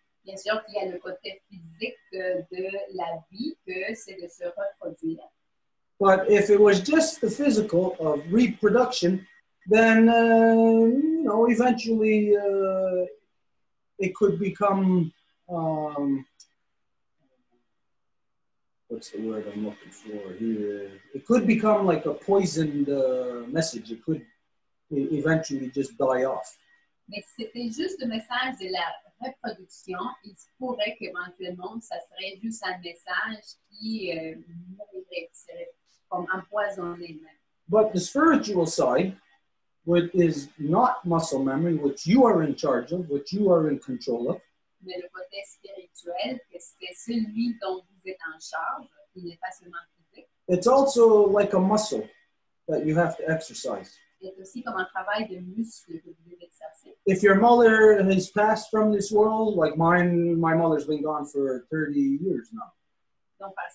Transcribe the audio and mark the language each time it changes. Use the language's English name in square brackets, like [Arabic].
[French] Bien sûr qu'il y a le côté physique de la vie, que c'est de se reproduire. [English] But if it was just the physical of reproduction, then, you know, eventually it could become... what's the word I'm looking for here? It could become like a poisoned message. It could eventually just die off. [French] Mais c'était juste le message de la reproduction. Il se pourrait qu'éventuellement, ça serait juste un message qui mourrait, serait comme empoisonné. [English] But the spiritual side, which is not muscle memory, which you are in charge of, which you are in control of. [French] Mais le côté spirituel, que c'est celui dont vous êtes en charge, qui n'est pas seulement physique. [English] It's also like a muscle that you have to exercise. If your mother has passed from this world, like mine, my mother's been gone for 30 years now.